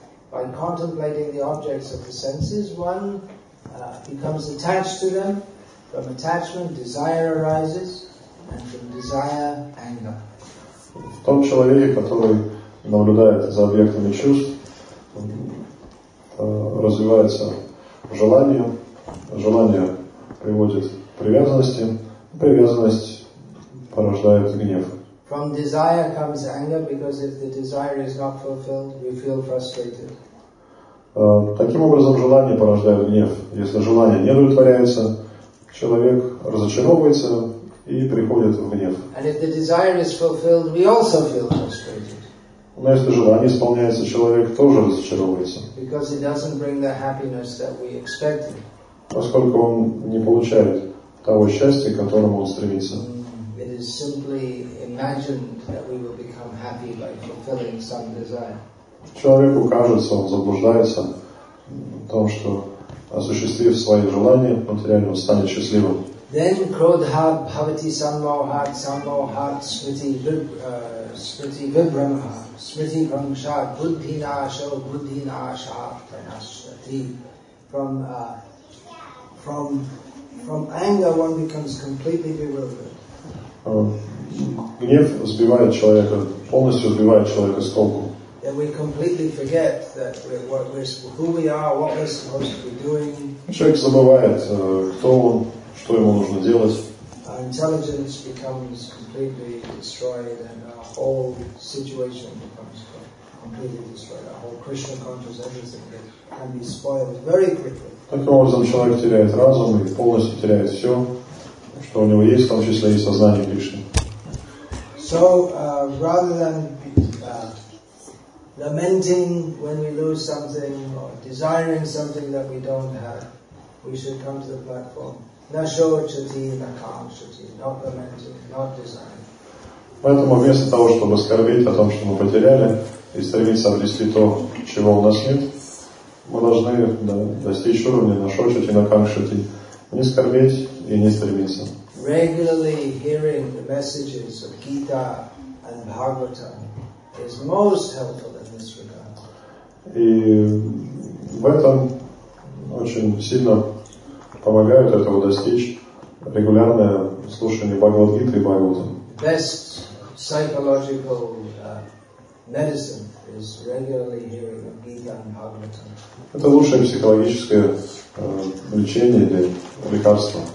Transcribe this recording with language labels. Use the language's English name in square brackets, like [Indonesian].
[English] By contemplating the objects of the senses, one becomes attached to them. From attachment, desire arises, and from desire, anger. [Russian] В том человеке, который наблюдает за объектами чувств, развивается желание. Желание приводит к привязанности. Привязанность порождает гнев. [English] From desire comes anger, because if the desire is not fulfilled, we feel frustrated. [Russian] Таким образом, желание порождает гнев. Если желание не удовлетворяется, человек разочаровывается и приходит в гнев. [English] And if the desire is fulfilled, we also feel frustrated. [Russian] Но если желание исполняется, человек тоже разочаровывается. [English] Because it doesn't bring the happiness that we expected. [Russian] Поскольку он не получает того счастья, к которому он стремится. [English] It is simply imagined that we will become happy by fulfilling some desire. [Russian] Человеку кажется, он заблуждается в том, что осуществив свои желания, материально он станет счастливым. [Sanskrit] Then krodha bhavati sammohat sammohat smriti smriti vibramha smriti vamsha buddhi nasho buddhi nasha pranashati. [English] From anger one becomes completely bewildered. [Russian] Гнев сбивает человека, полностью сбивает человека с толку. [English] Then we completely forget that who we are, what we're supposed to be doing. [Russian] Человек забывает, кто он, что ему нужно делать. [English] Our intelligence becomes completely destroyed, and our whole situation becomes completely destroyed. Our whole Krishna consciousness, everything can be spoiled very quickly. [Russian] Таким образом, человек теряет разум и полностью теряет все, что у него есть, в том числе и сознание Кришны. [English] So, rather than lamenting when we lose something or desiring something that we don't have, we should come to the platform. [Sanskrit] Na shochati, na kamshati. [English] Not lamenting, not desiring. [Russian] Поэтому вместо того, чтобы скорбить о том, что мы потеряли, и стремиться обрести то, чего у нас нет, мы должны достичь уровня [Sanskrit] на шочати, на камшати, [Russian] не скорбеть и не стремиться. [English] Regularly hearing the messages of Gita and Bhagavata is most helpful in this regard. [Russian] И в этом очень сильно помогают этого достичь регулярное слушание Бхагавад-гиты и Бхагавата. [English] Best psychological medicine is regularly hearing of Gita and Bhagavata. [Russian] Это лучшее психологическое лечение или лекарство.